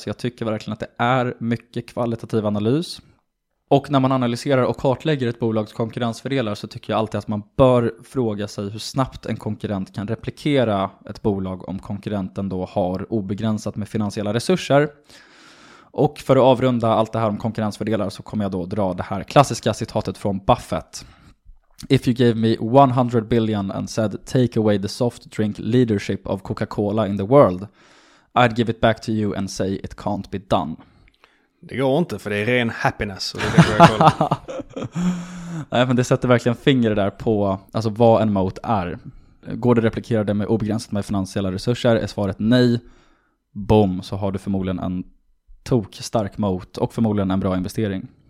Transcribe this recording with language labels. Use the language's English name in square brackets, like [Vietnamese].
[Swedish] Alltså jag tycker verkligen att det är mycket kvalitativ analys. Och när man analyserar och kartlägger ett bolags konkurrensfördelar så tycker jag alltid att man bör fråga sig hur snabbt en konkurrent kan replikera ett bolag om konkurrenten då har obegränsat med finansiella resurser. Och för att avrunda allt det här om konkurrensfördelar så kommer jag då dra det här klassiska citatet från Buffett. [English] If you gave me 100 billion and said take away the soft drink leadership of Coca-Cola in the world, I'd give it back to you and say it can't be done. [Swedish] Det går inte, för det är ren happiness. Och det är det. Nej, men det sätter verkligen fingret där på alltså vad en moat är. Går det att replikera det med obegränsat med finansiella resurser? Är svaret nej, boom, så har du förmodligen en tokstark moat och förmodligen en bra investering.